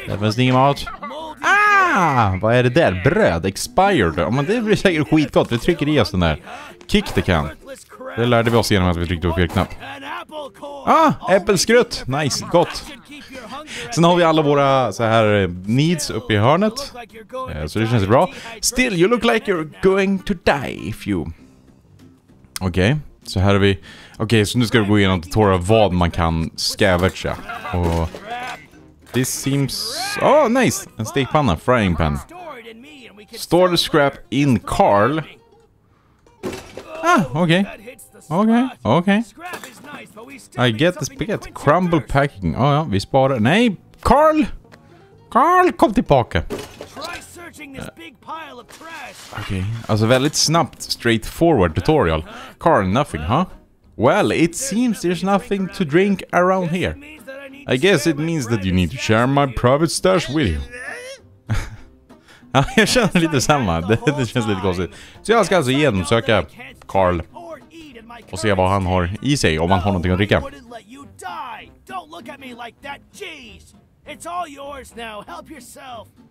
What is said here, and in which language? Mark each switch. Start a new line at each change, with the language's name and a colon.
Swedish: Där fanns det ingen mat. Ah! Vad är det där? Bröd. Expired. Oh, men det blir säkert skitgott. Vi trycker i oss den där.
English: Kick the can.
Swedish: Det lärde vi oss genom att vi tryckte på fel knapp. Ah! Äppelskrutt. Nice. Gott. Sen har vi alla våra så här needs uppe i hörnet. Så det känns bra.
English: Still, you look like you're going to die if you...
Swedish: Okej. Så här har vi... Okej, så nu ska vi gå igenom tutorial vad man kan scavenga. Och...
English: this seems... oh, nice!
Swedish: En stekpanna,
English: frying pan. Store the scrap in Carl.
Swedish: Ah, okej.
English: Okay.
Swedish: Okej,
English: okay.
Swedish: Okej.
English: I get the spaghetti. Crumble packing. Oh,
Swedish: ja, vi sparar... nej!
English: Carl!
Swedish: Carl, kom tillbaka! Okej, okay. Alltså väldigt snabbt, straightforward tutorial.
English: Carl, nothing, huh? Well, it seems there's nothing to drink around here. I guess it means that you need to share my private stash with you.
Swedish: Ja, jag känner lite samma. Det känns lite konstigt. Så jag ska alltså genomsöka Carl och se vad han har i sig, om han har någonting att dricka.
English: Don't look at me like that, jeez. It's all yours now. Help yourself.